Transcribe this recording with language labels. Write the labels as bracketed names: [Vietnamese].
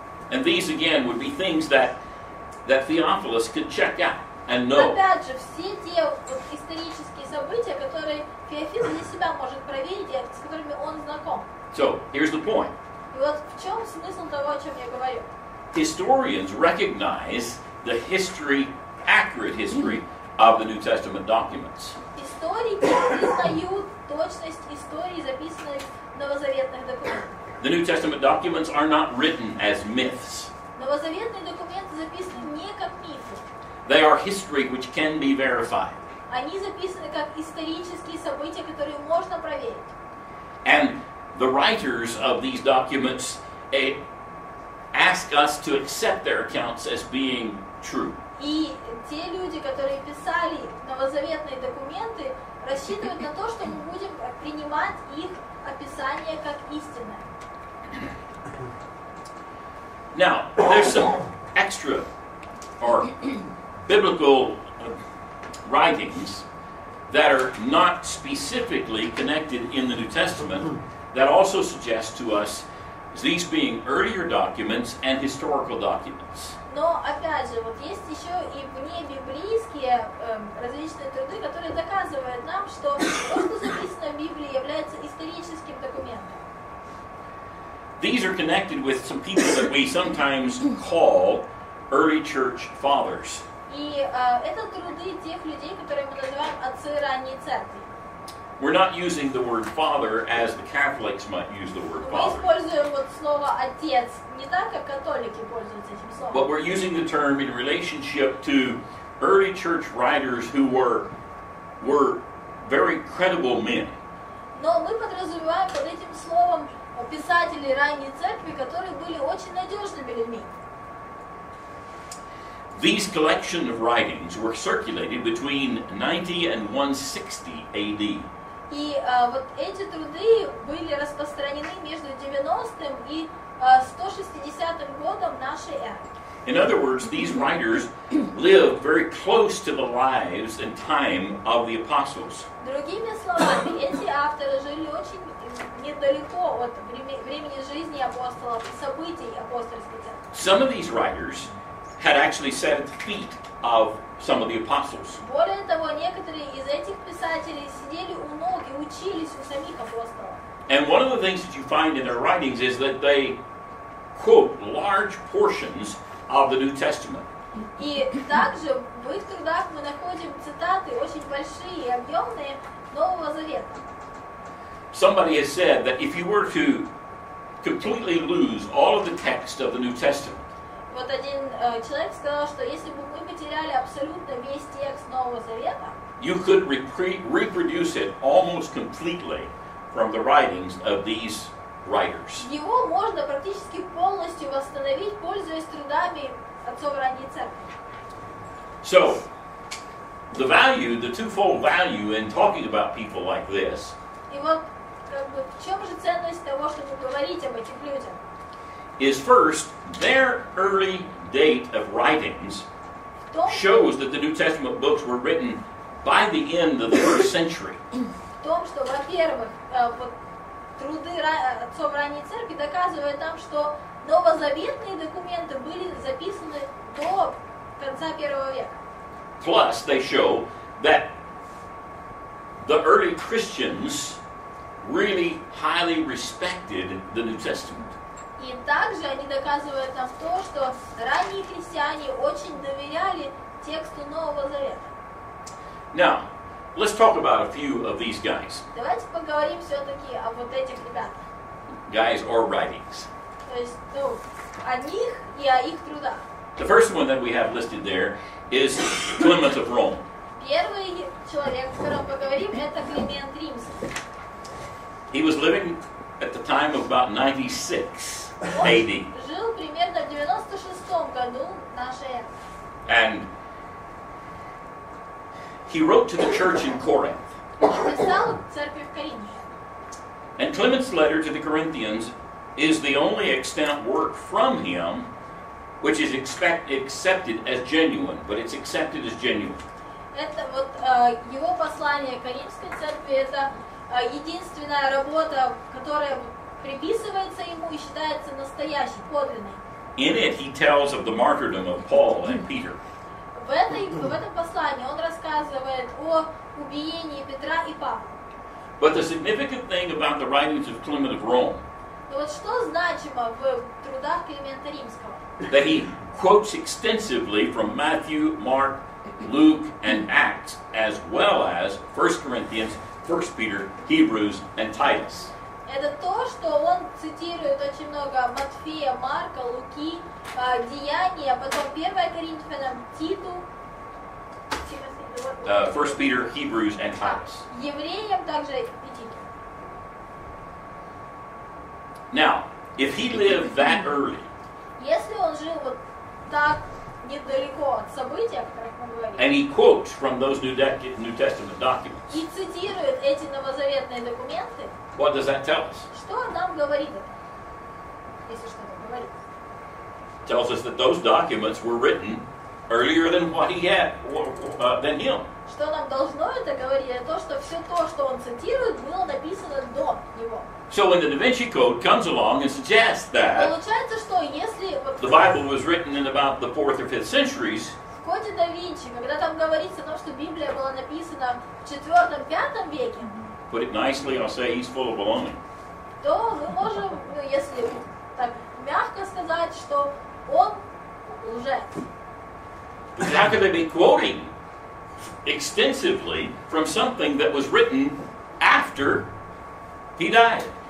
[English] And these again would be things that Theophilus could check out and know. [Russian] Опять же, все те исторические события, которые Феофил для себя может проверить, с которыми он знаком. [English] So here's the point. [Russian] И вот в чем смысл того, о чем я говорю? [English] Historians recognize the history, accurate history of the New Testament documents. [Russian] Историки признают точность истории, записанных в новозаветных документах. [English] The New Testament documents are not written as myths. [Russian] Новозаветные документы записаны не как мифы. [English] They are history which can be verified. [Russian] Они записаны как исторические события, которые можно проверить. [English] And the writers of these documents ask us to accept their accounts as being true. [Russian] И те люди, которые писали новозаветные документы, рассчитывают на то, что мы будем принимать их описание как истинное. [English] Now, there's some extra or biblical writings that are not specifically connected in the New Testament that also suggest to us these being earlier documents and historical documents. [Russian] Но опять же, вот есть еще и вне библейские различные труды, которые доказывают нам, что то, что записано в Библии, является историческим документом. [English] These are connected with some people that we sometimes call early church fathers. [Russian] И это труды тех людей, которые мы называем отцы ранней церкви. [English] We're not using the word father as the Catholics might use the word father. [Russian] Мы используем вот слово отец не так, как католики пользуются этим словом. [English] But we're using the term in relationship to early church writers who were very credible men. [Russian] Но мы подразумеваем под этим словом писателей ранней церкви, которые были очень надежными людьми. [English] These collection of writings were circulated between 90 and 160 AD. [Russian] И вот эти труды были распространены между 90-м и 160-м годом нашей эры. [English] In other words, these writers lived very close to the lives and time of the apostles. [Russian] Другими словами, эти авторы жили очень недалеко от времени жизни апостолов и событий апостольских. [English] Some of these writers had actually sat at the feet of some of the apostles. [Russian] Более того, некоторые из этих писателей сидели у ног и учились у самих апостолов. [English] And one of the things that you find in their writings is that they quote large portions of the New Testament. [Russian] И также в их трудах мы находим цитаты очень большие и объемные Нового Завета. [English] Somebody has said that if you were to completely lose all of the text of the New Testament, [Russian] вот один человек сказал, что если бы мы потеряли абсолютно весь текст Нового Завета, [English] you could reproduce it almost completely from the writings of these writers. [Russian] Его можно практически полностью восстановить, пользуясь трудами отцов ранней церкви. [English] So, the value, the twofold value in talking about people like this. [Russian] И вот как бы, в чем же ценность того, чтобы говорить об этих людях? [English] Is first, their early date of writings shows that the New Testament books were written by the end of the first century. [Russian] В том, что, во-первых, вот, труды отцов ранней церкви доказывают нам, что новозаветные документы были записаны до конца первого века. [English] Plus, they show that the early Christians really highly respected the New Testament. [Russian] И также они доказывают нам то, что ранние христиане очень доверяли тексту Нового Завета. [English] Now, let's talk about a few of these guys. [Russian] Давайте поговорим все-таки о вот этих ребятах. [English] Guys or writings. [Russian] То есть, ну, о них и о их трудах. [English] The first one that we have listed there is Clement of Rome. [Russian] Первый человек, о котором поговорим, это Климент Римский. [English] He was living at the time of about 96 AD. [Russian] Он жил примерно в 96 году нашей эры. [English] And he wrote to the church in Corinth. [Russian] Он писал церкви в Коринфе. [English] And Clement's letter to the Corinthians is the only extant work from him which is accepted as genuine, but it's accepted as genuine. [Russian] Это вот его послание Коринфской церкви, это единственная работа, которая приписывается ему и считается настоящей, подлинной. [English] In it he tells of the martyrdom of Paul and Peter. [Russian] В этом послании он рассказывает о убиении Петра и Павла. [English] But the significant thing about the writings of Clement of Rome, [Russian] вот что значимо в трудах Климента Римского, [English] that he quotes extensively from Matthew, Mark, Luke, and Acts, as well as 1 Corinthians, 1 Peter, Hebrews, and Titus. [Russian] Это то, что он цитирует очень много Матфея, Марка, Луки, Деяния, потом 1 Коринфянам, Титу, [English] 1 Peter, Hebrews, and Titus. [Russian] Евреям также идти. [English] Now, if he lived that early, [Russian] если он жил вот так недалеко от события, о которых мы говорим, [English] and he quotes from those New Testament documents, [Russian] и цитирует эти новозаветные документы, [English] what does that tell us? [Russian] Что нам говорит это? Если что-то говорит. [English] Tells us that those documents were written earlier than what he had, than him. [Russian] Что нам должно это говорить? Это то, что все то, что он цитирует, было написано до него. [English] So when the Da Vinci Code comes along and suggests that, [Russian] получается, что если [English] the Bible was written in about the 4th or 5th centuries, [Russian] в коде Да Винчи, когда там говорится о том, что Библия была написана в 4-5 веке, [English] put it nicely, I'll say he's full of baloney. [Russian] То мы можем, если так мягко сказать, что он лжец. [English] But how could they be quoting extensively from something that was written after he died?